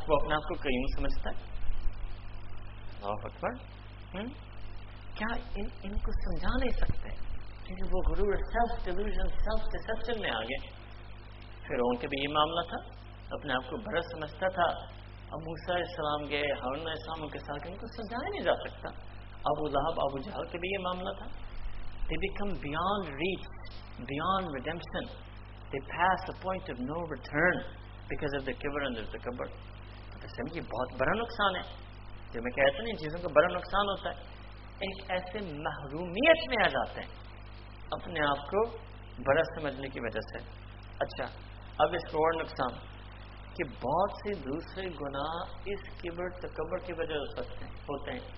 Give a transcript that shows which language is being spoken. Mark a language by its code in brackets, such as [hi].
[ur] وہ اپنے آپ کو قیوم سمجھتا ہے. اللہ اکبر, کیا ان کو سمجھا نہیں سکتے کیونکہ وہ غرور [en] self delusion self deception [ur] میں آ گئے. پھر ان کے بھی یہ معاملہ تھا, اپنے آپ کو بڑا سمجھتا تھا. اب موسیٰ علیہ السلام گئے, ہارون علیہ السلام کے ساتھ, ان کو سمجھایا نہیں جا سکتا. ابو لہب ابو جہل کے بھی یہ معاملہ تھا. [en] They become beyond reach, beyond redemption, they pass the point of no return because of the کبر and the کبر. [ur] اصل میں یہ بہت بڑا نقصان ہے. جو میں کہتا ہوں ان چیزوں کا بڑا نقصان ہوتا ہے, ایک ایسے محرومیت میں آ جاتے ہیں اپنے آپ کو بڑا سمجھنے کی وجہ سے. اچھا, اب اس کو اور نقصان کہ بہت سے دوسرے گناہ اس کبر تکبر کی وجہ سے ہوتے ہیں.